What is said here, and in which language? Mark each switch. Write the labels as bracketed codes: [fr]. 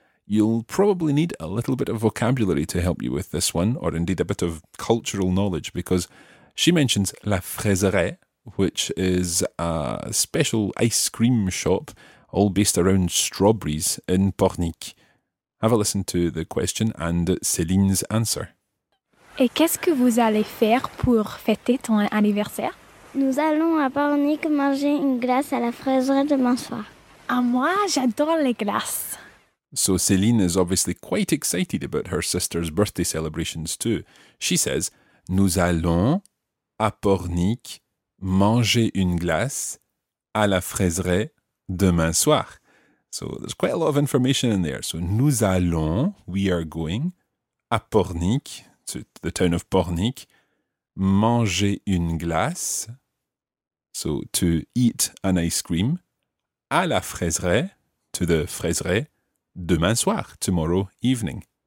[en] You'll probably need a little bit of vocabulary to help you with this one, or indeed a bit of cultural knowledge, because she mentions La Fraiserie, which is a special ice cream shop all based around strawberries in Pornic. Have a listen to the question and Céline's answer. [fr] Et qu'est-ce que vous allez faire pour fêter ton anniversaire? Nous allons à Pornic manger une glace à la fraiserie demain soir. Ah, moi, j'adore les glaces. [en] So Céline is obviously quite excited about her sister's birthday celebrations too. She says, [fr] nous allons à Pornic manger une glace à la fraiserie demain soir. [en] So there's quite a lot of information in there. So [fr] nous allons, [en] we are going, à Pornic, to the town of Pornic, [fr] manger une glace. [en] So to eat an ice cream, [fr] à la fraiserie, [en] to the fraiserie, [fr] demain soir, [en] tomorrow evening.